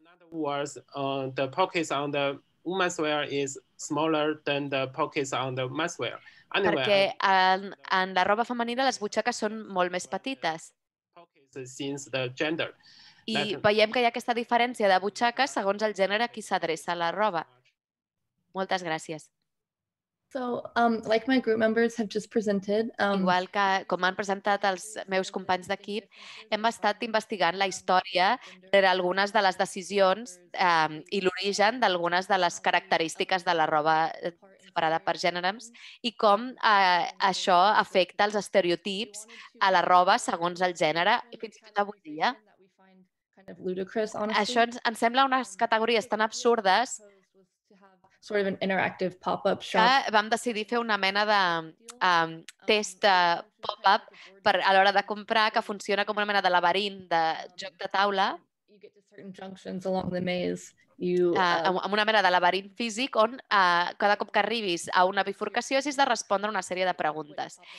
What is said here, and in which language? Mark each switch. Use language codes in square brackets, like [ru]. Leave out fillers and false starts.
[en] words, the pockets on the womenswear is smaller than the pockets on the menswear. Anyway, [ca] perquè en la roba femenina les butxaques són molt més petites. [en] Since the gender. [ca] I veiem que hi ha aquesta diferència de butxaques segons el gènere a qui s'adreça la roba. Moltes gràcies. [en] So, like my group members have just presented, [ca] igual que com han presentat els meus companys d'equip, hem estat investigant la història d'algunes de les decisions i l'origen d'algunes de les característiques de la roba separada per gèneres i com això afecta els estereotips a la roba segons el gènere i fins i tot avui dia. Això ens sembla unes categories tan absurdes [en] sort of an interactive pop-up shop. [ca] Vam decidir fer una mena de test pop-up per a l'hora de comprar que funciona com una mena de laberint de joc de taula. [en] You get to certain junctions along the maze. You [ca] amb una mena de laberint físic on cada cop que arribis a una bifurcació has de respondre una sèrie de preguntes.